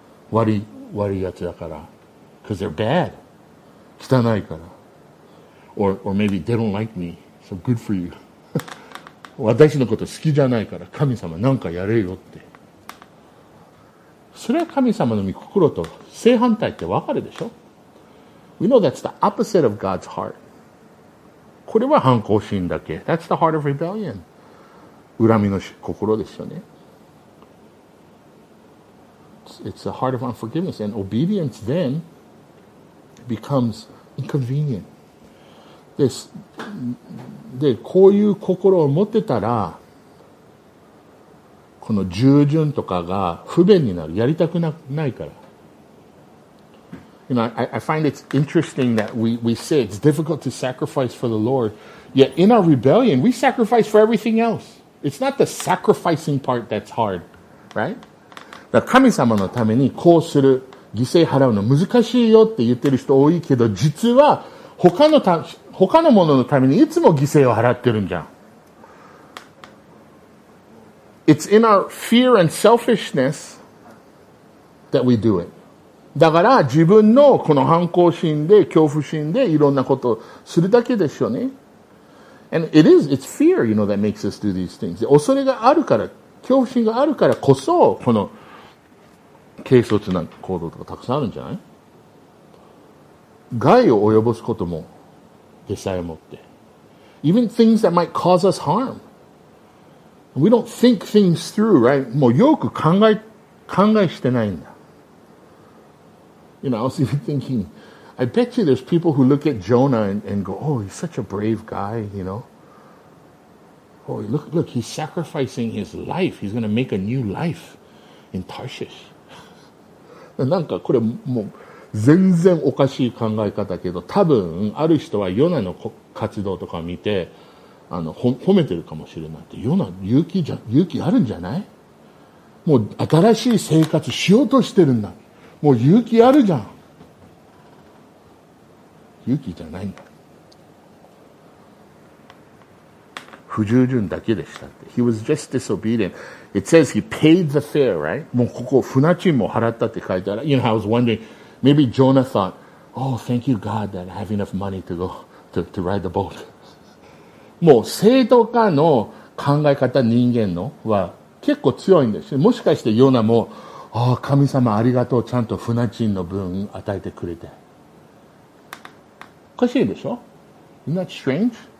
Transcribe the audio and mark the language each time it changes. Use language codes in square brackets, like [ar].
[ja] 悪いやつだから。 [en] Because they're bad. [ja] 汚いから。 [en] Or maybe they don't like me. So good for you. [ja] 私のこと好きじゃないから神様なんかやれよって。それは神様の御心と正反対ってわかるでしょ? [en] We know that's the opposite of God's heart. [ja] これは反抗心だけ。 [en] That's the heart of rebellion. [ja] 恨みの心ですよね。 [en] It's the heart of unforgiveness and obedience then becomes inconvenient. [ja] で、こういう心を持ってたら、この従順とかが不便になる。やりたくないから。 [en] You know, I find it's interesting that we say it's difficult to sacrifice for the Lord. Yet in our rebellion, we sacrifice for everything else. It's not the sacrificing part that's hard, right? [ja] だから神様のためにこうする、犠牲払うの難しいよって言ってる人多いけど、実は他のもののためにいつも犠牲を払ってるんじゃん。 [en] It's in our fear and selfishness that we do it. [ja] だから自分のこの反抗心で恐怖心でいろんなことをするだけでしょうね。 [en] And it is, it's fear, you know, that makes us do these things. [ja] 恐れがあるから、恐怖心があるからこそこの軽率な行動とかたくさんあるんじゃない？害を及ぼすこともでさえもって。 [en] Even things that might cause us harm. We don't think things through, right? [ja] もうよく考えしてないんだ。 [en] You know, I was even thinking, I bet you there's people who look at Jonah and go, oh, he's such a brave guy, you know. Oh, look, he's sacrificing his life. He's going to make a new life in Tarshish. [ja] なんかこれもう全然おかしい考え方だけど、多分ある人はヨナの活動とかを見て、褒めてるかもしれないって。ヨナ、勇気あるんじゃない？もう新しい生活しようとしてるんだ。もう勇気あるじゃん。勇気じゃないんだ。不従順だけでしたって。 [en] He was just disobedient. It says he paid the fare, right? [ja] もうここ船賃も払ったって書いてある。 [en] You know, I was wondering, maybe Jonah thought, oh, thank you God that I have enough money to go to ride the boat. [ja] もう正当化の考え方、人間のは結構強いんです。もしかしてヨナも。ああ神様ありがとう、ちゃんと船賃の分与えてくれて。おかしいでしょ？ [en] Isn't that strange?